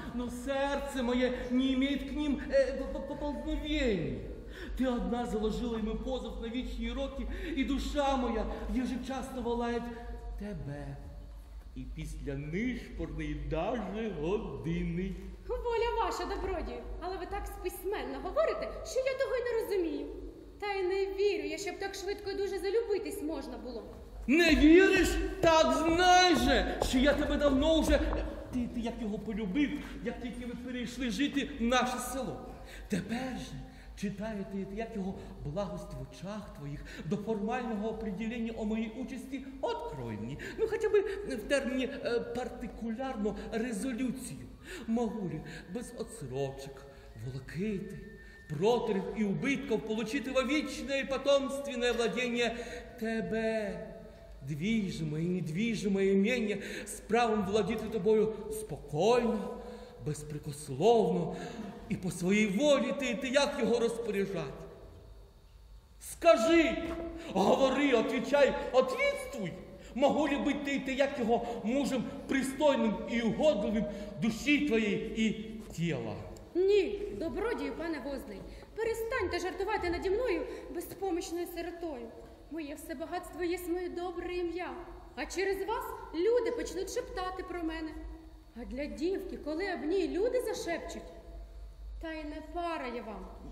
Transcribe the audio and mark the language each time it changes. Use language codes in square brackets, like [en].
[ru] сердце мое не имеет к ним поползновений. Ты одна заложила ему позов на вечные роки, и душа моя ежечасно волает тебе. [uk] И після нишпорної даже години. Воля ваша, добродію, але ви так письменно говорите, що я того й не розумію. Та й не вірю я, щоб так швидко і дуже залюбитись можна було. Не віриш? Так знай же, що я тебе давно вже... Ти як його полюбив, як тільки ви перейшли жити в наше село. Тепер же читаю ти, як його благость в очах твоїх до формального оприділення о моїй участі откройні. Ну, хоча б в терміні партикулярну резолюцію. [ru] Могу ли без отсрочок, волокити, протирів і убитков получити во вічне і потомственне владіння тебе? Движимое и недвижимое имение с правом владеть тобою спокойно, беспрекословно и по своей воле ты [uk] як його [ru] розпоряжать? Скажи, говори, отвечай, ответствуй. Могу ли быть ты [uk] як його [ru] мужем пристойным и угодливым души твоей и тела? [uk] Ні, добродію, пане Возний, перестаньте жартувати наді мною безпомощною сиротою. Моє все багатство є моє добре ім'я, а через вас люди почнуть шептати про мене. А для дівки, коли об ній люди зашепчуть, та й не пара я вам.